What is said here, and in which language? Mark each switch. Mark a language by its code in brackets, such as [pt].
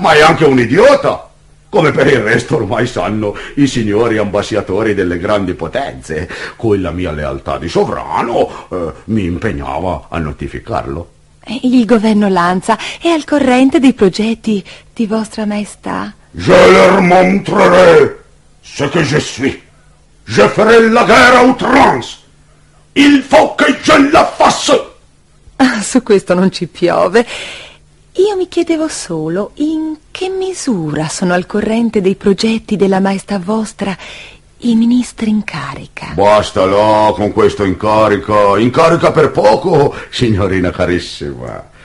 [it] Ma è anche un idiota, come per il resto ormai sanno i signori ambasciatori delle grandi potenze, cui la mia lealtà di sovrano mi impegnava a notificarlo. Il governo Lanza è al corrente dei progetti di vostra maestà? [fr] Je leur montrerai ce que je suis. Je ferai la guerre outrance. Il faut que je la fasse. [it] Su questo non ci piove. Io mi chiedevo solo in che che misura sono al corrente dei progetti della maestà vostra i ministri in carica? Basta là con questo incarico. Incarica per poco, signorina carissima.